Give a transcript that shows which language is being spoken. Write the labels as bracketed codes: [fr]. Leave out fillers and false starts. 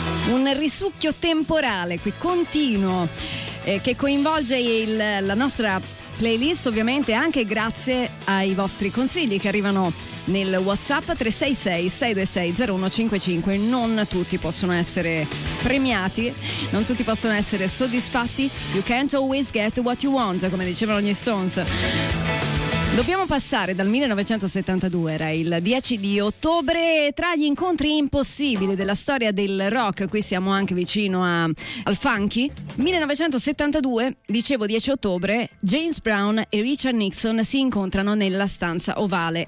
[it] Un risucchio temporale qui continuo che coinvolge la nostra playlist, ovviamente anche grazie ai vostri consigli che arrivano nel WhatsApp 366-626-0155. Non tutti possono essere premiati, non tutti possono essere soddisfatti. [en] You can't always get what you want, [it] come dicevano gli [en] Stones. [it] Dobbiamo passare dal 1972, era il 10 di ottobre, tra gli incontri impossibili della storia del rock, qui siamo anche vicino al funky. 1972, dicevo 10 ottobre, James Brown e Richard Nixon si incontrano nella stanza ovale.